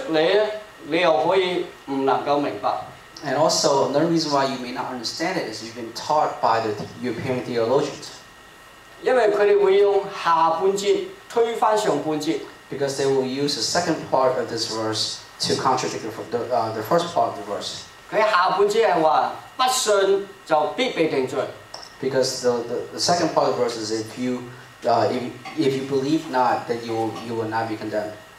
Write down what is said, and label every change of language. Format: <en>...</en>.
<yue>當然，如果你有歐洲神學家教導你出嚟，你又可以唔能夠明白。</yue> <en>And also, another reason why you may not understand it is you've been taught by the European theologians.</en> <yue>因為佢哋會用下半節推翻上半節。</yue> <en>Because they will use the second part of this verse to contradict the first part of the verse.</en> <yue>佢下半節係話不信就必被定罪。</yue> <en>Because the second part of the verse is if you believe not, then you will not be condemned.</en>